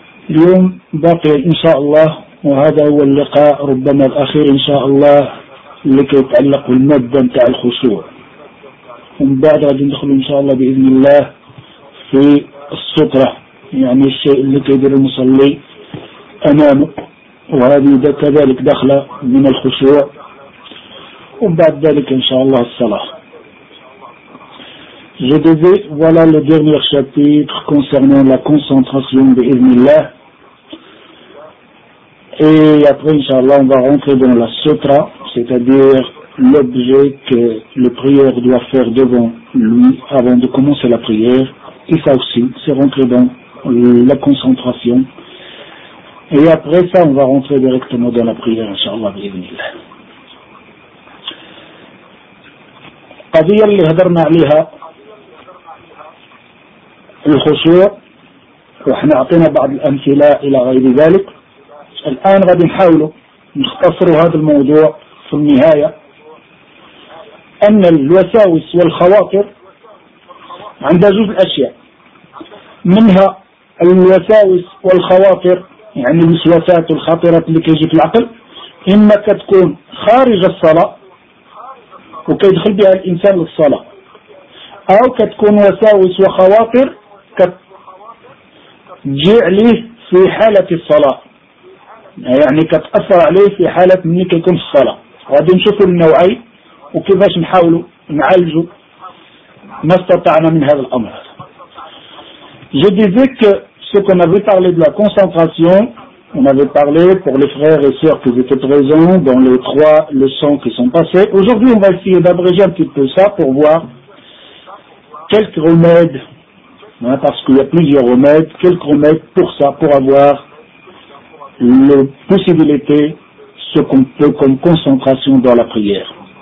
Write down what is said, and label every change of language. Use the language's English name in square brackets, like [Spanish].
[Arabic] اليوم باقي إن شاء الله وهذا هو اللقاء ربما الأخير إن شاء الله لكي يتعلق بالمادة نتاع الخشوع، ومن بعد غادي ندخل إن شاء الله بإذن الله في السترة، يعني الشيء اللي كيدير المصلي أمامه، وهذه كذلك دخلة من الخشوع، ومن بعد ذلك إن شاء الله الصلاة. [French] Je disais, voilà le dernier chapitre concernant la concentration bi'idhnillah. Et après, Inch'Allah, on va rentrer dans la sutra, c'est-à-dire l'objet que le prieur doit faire devant lui avant de commencer la prière. Et ça aussi, c'est rentrer dans la concentration. Et après ça, on va rentrer directement dans la prière, Inch'Allah, bi'idhnillah. [Arabic] قضية اللي هدرنا عليها الخشوع وحنا عطينا بعض الأمثلة إلى غير ذلك. الآن غادي نحاول نختصر هذا الموضوع في النهاية، أن الوساوس والخواطر عندها جزء أشياء، منها الوساوس والخواطر يعني الوسواسات الخطرة اللي كيجي في العقل، إما كتكون خارج الصلاة وكيدخل بها الإنسان للصلاة، أو كتكون وساوس وخواطر كتجيء عليه في حالة الصلاة، يعني كتأثر عليه في حالة من كيكون الصلاة. غادي نشوفوا النوعين وكيفاش نحاولوا نعالجوا ما استطعنا من هذا الأمر. [French] Je disais que ce qu'on avait parlé de la concentration, on avait parlé pour les frères et sœurs qui étaient présents dans les trois leçons qui sont passées. Aujourd'hui, on va essayer d'abréger un petit peu ça pour voir quelques remèdes. Parce qu'il y a plusieurs remèdes, quelques remèdes pour ça, pour avoir la possibilité, ce qu'on peut comme concentration dans la prière.